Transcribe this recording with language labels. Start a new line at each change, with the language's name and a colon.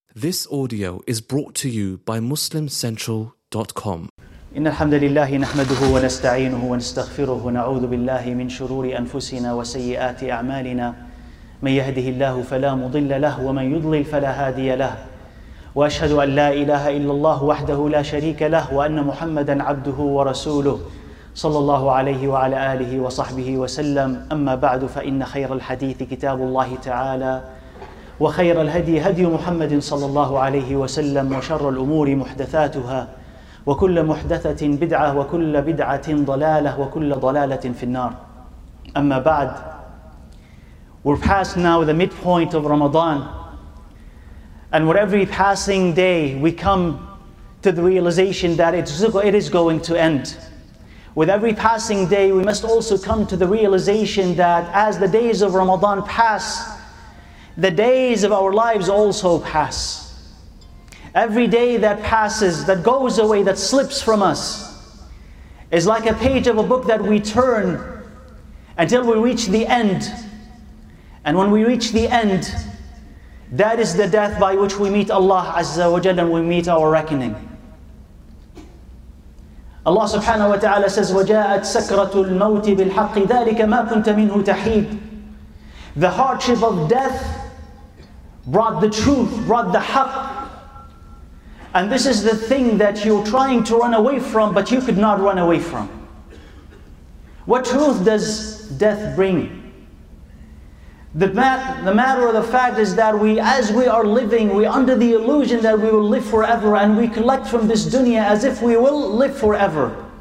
English: This audio is brought to you by MuslimCentral.com.
Arabic: إن الحمد لله نحمده ونستعينه ونستغفره ونعوذ بالله من شرور أنفسنا وسيئات أعمالنا من يهده الله فلا مضل له ومن يضلل فلا هادي له وأشهد أن لا إله إلا الله وحده لا شريك له وأن محمدا عبده ورسوله صلى الله عليه وعلى آله وصحبه وسلم أما بعد فإن خير الحديث كتاب الله تعالى وخير الهدي هدي محمد صلى الله عليه وسلم وشر الأمور محدثاتها وكل محدثة بدعة وكل بدعة ضلالة وكل ضلالة في النار أما بعد.
English: We're past now the midpoint of Ramadan, and with every passing day we come to the realization that it is going to end. With every passing day we must also come to the realization that as the days of Ramadan pass, the days of our lives also pass. Every day that passes, that goes away, that slips from us, is like a page of a book that we turn until we reach the end. And when we reach the end, that is the death by which we meet Allah Azza wa Jalla and we meet our reckoning. Allah subhanahu wa ta'ala says,
Arabic: وَجَاءَتْ سَكْرَةُ الْمَوْتِ بِالْحَقِّ ذَلِكَ مَا كُنْتَ مِنْهُ تَحِيدُ.
English: The hardship of death brought the truth, brought the haqq. And this is the thing that you're trying to run away from, but you could not run away from. What truth does death bring? The matter of the fact is that as we are living, we're under the illusion that we will live forever, and we collect from this dunya as if we will live forever.